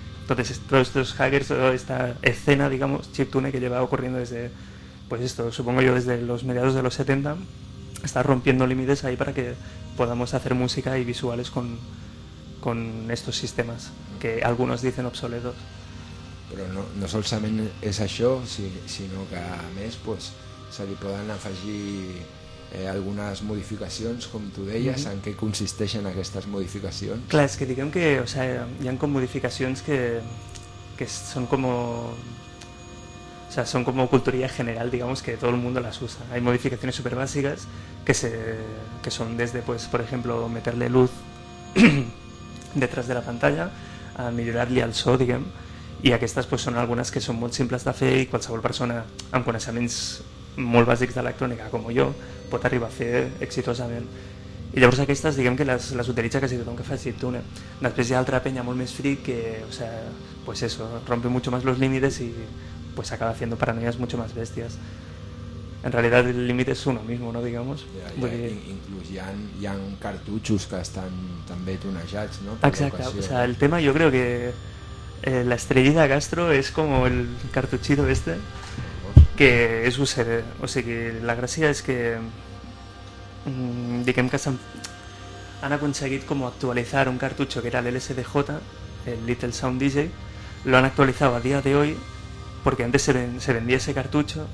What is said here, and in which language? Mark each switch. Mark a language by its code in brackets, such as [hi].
[es] Entonces todos estos hackers, toda esta escena, digamos, chiptune que lleva ocurriendo desde, pues esto, supongo yo, desde los mediados de los 70, está rompiendo límites ahí para que podamos hacer música y visuales con estos sistemas que algunos dicen obsoletos. [ca] Però no solament és això, sinó que a més pues se li poden afegir algunes modificacions, com tu deies. Mm-hmm. En què consisteixen aquestes modificacions? Clar, és que diguem que, o sea, hi han com modificacions que són com, o sea, [es] son como cultura general, digamos, que todo el mundo las usa. Hay modificaciones súper básicas que son desde, pues, por ejemplo, meterle luz detrás de la pantalla, a mejorarle al so, digamos, y estas pues son algunas que son muy simples de hacer y cualquier persona, aunque no sean muy básicas de electrónica como yo, puede arribar a hacer exitosamente. [ca] Y llavors aquestes, diguem que les utilitza quasi tothom que fa chiptune. Després hi ha altra penya molt més freak que, o sea, pues eso, [es] rompe mucho más los límites y pues acaba haciendo paranoias mucho más bestias. En realidad el límite es uno mismo, ¿no? Digamos. [ca] Ja, inclús hi ha cartutxos que estan també tunejats, ¿no? [es] Exacte, o sea, el tema, yo creo que la estrellita Castro es como el cartuchito este, que es USB. [ca] O sea, que la gracia es que diguem que han aconseguit com actualitzar un cartutxo que era el LSDJ, el Little Sound DJ, lo han actualitzat a dia de hoy, [es] porque antes se vendía ese cartutxo.